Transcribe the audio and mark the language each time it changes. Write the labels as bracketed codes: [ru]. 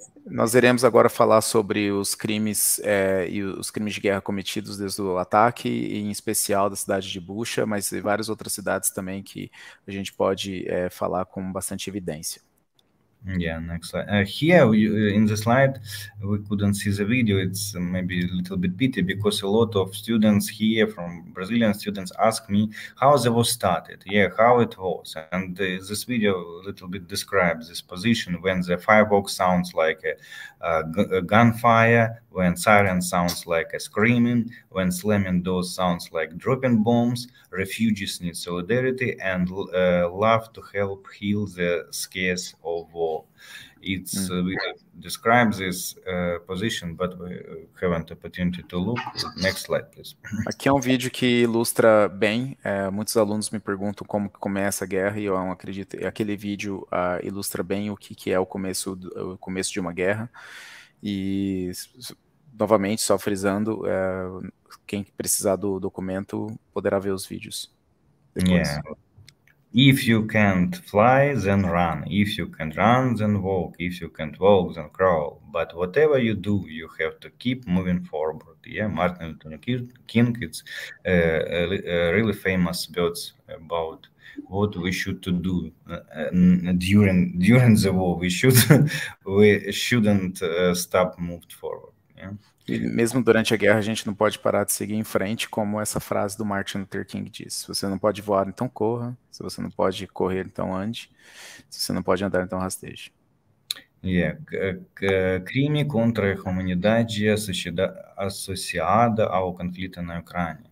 [pt] Nós iremos agora falar sobre os crimes e os crimes de guerra cometidos desde o ataque, em especial da cidade de Bucha, mas em várias outras cidades também que a gente pode falar com bastante evidência. [en] Yeah, next slide. Here, in the slide, we couldn't see the video. It's maybe a little bit pity because a lot of students here from Brazilian students ask me how the war started. Yeah, how it was. And this video a little bit describes this position when the firebox sounds like a gunfire, when siren sounds like a screaming, when slamming doors sounds like dropping bombs, refugees need solidarity and love to help heal the scares of war. It's describes this position, but we haven't opportunity to look. Next slide, please. [pt] Aqui é vídeo que ilustra bem. Muitos alunos me perguntam como que começa a guerra e eu acredito aquele vídeo ilustra bem o que é o começo de uma guerra. E novamente, só frisando, quem precisar do documento poderá ver os vídeos. Depois. [en] Yeah. If you can't fly, then run. If you can't run, then walk. If you can't walk, then crawl. But whatever you do, you have to keep moving forward. Yeah, Martin Luther King, it's really famous words about what we should to do during the war. We should we shouldn't stop moved forward. Yeah. [pt] E mesmo durante a guerra, a gente não pode parar de seguir em frente, como essa frase do Martin Luther King diz. Se você não pode voar, então corra. Se você não pode correr, então ande. Se você não pode andar, então rasteje. Yeah. Crime contra a humanidade associada ao conflito na Ucrânia.